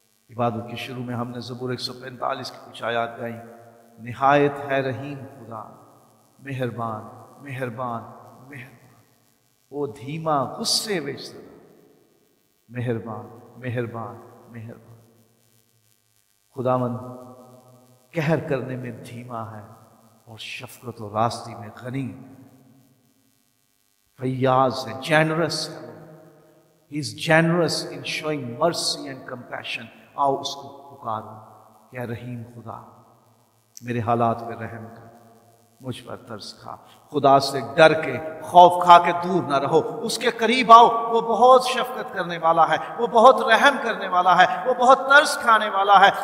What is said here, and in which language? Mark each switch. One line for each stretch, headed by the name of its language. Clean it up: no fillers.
Urdu: عبادت کے شروع میں ہم نے زبور 145 کی کچھ آیات گائی، نہایت ہے رحیم خدا، مہربان مہربان مہربان، وہ دھیما غصے وچ سدا مہربان مہربان مہربان. خداوند قہر کرنے میں دھیما ہے اور شفقت و راستی میں غنی، فیاض ہے، جینرس ہے.
English: He is generous in showing mercy and compassion.
Urdu: آؤ اس کو پکارو کہ رحیم خدا، میرے حالات پہ رحم کر، مجھ پر ترس کھا. خدا سے ڈر کے، خوف کھا کے دور نہ رہو، اس کے قریب آؤ. وہ بہت شفقت کرنے والا ہے، وہ بہت رحم کرنے والا ہے، وہ بہت ترس کھانے والا ہے.